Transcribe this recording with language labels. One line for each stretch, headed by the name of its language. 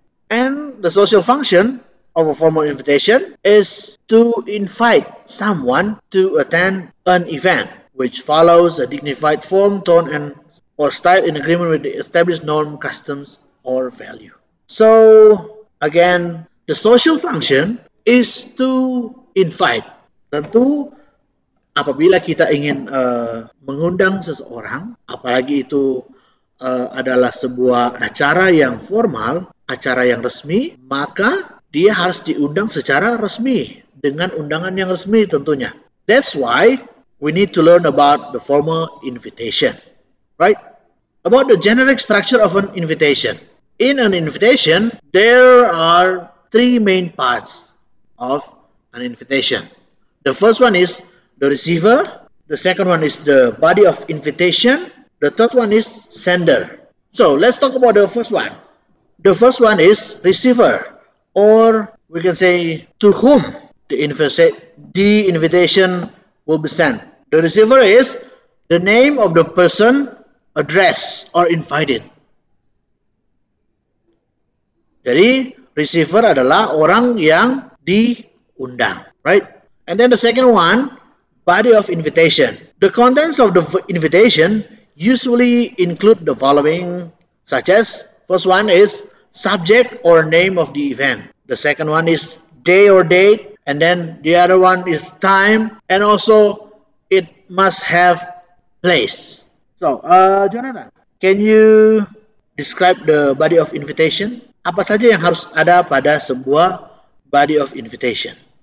English: And the social function of a formal invitation is to invite someone to attend an event which follows a dignified form, tone, and or style in agreement with the established norm, customs, or value. So, again, the social function is to invite.
Indonesian: Tentu, apabila kita ingin mengundang seseorang, apalagi itu adalah sebuah acara yang formal, acara yang resmi, maka dia harus diundang secara resmi, dengan undangan yang resmi tentunya.
English: That's why we need to learn about the formal invitation, right? About the generic structure of an invitation. In an invitation, there are three main parts of an invitation. The first one is the receiver. The second one is the body of invitation. The third one is sender. So let's talk about the first one. The first one is receiver, or we can say to whom the invitation will be sent. The receiver is the name of the person, address, or invited.
Indonesian: Jadi, receiver adalah orang yang diundang, right?
English: And then the second one, body of invitation. The contents of the invitation usually include the following, such as, first one is subject or name of the event. The second one is day or date. And then the other one is time. And also, it must have place. So, Jonathan, can you describe the body of invitation?
Indonesian: Apa saja yang harus ada pada sebuah body of invitation?